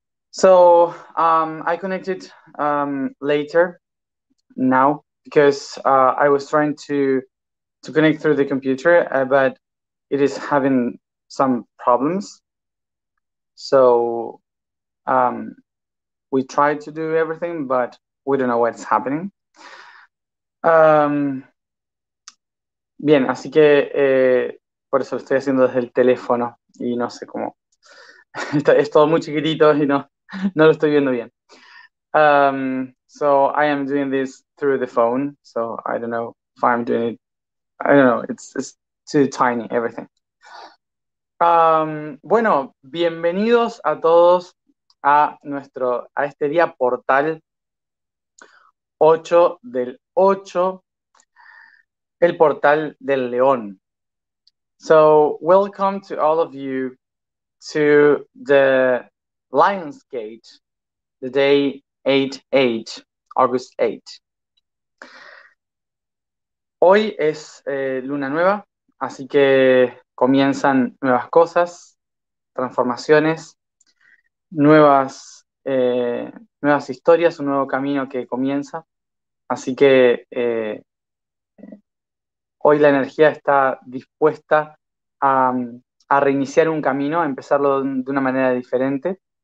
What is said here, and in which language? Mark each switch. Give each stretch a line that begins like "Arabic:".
English: So, I connected later, now, because I was trying to connect through the computer, but it is having some problems. So we tried to do everything, but we don't know what's happening.
Spanish: Bien, así que por eso lo estoy haciendo desde el teléfono y no sé cómo. Es todo muy chiquitito y no lo estoy viendo bien.
English: So I am doing this through the phone. So I don't know if I'm doing it. I don't know. It's too tiny, everything.
Spanish: Bueno, bienvenidos a todos a este día portal 8 del 8, el portal del león.
English: So, welcome to all of you to the Lion's Gate, the day 8-8, August 8.
Spanish: Hoy es luna nueva, así que comienzan nuevas cosas, transformaciones, nuevas historias, un nuevo camino que comienza. Así que hoy la energía está dispuesta a reiniciar un camino, a empezarlo de una manera diferente.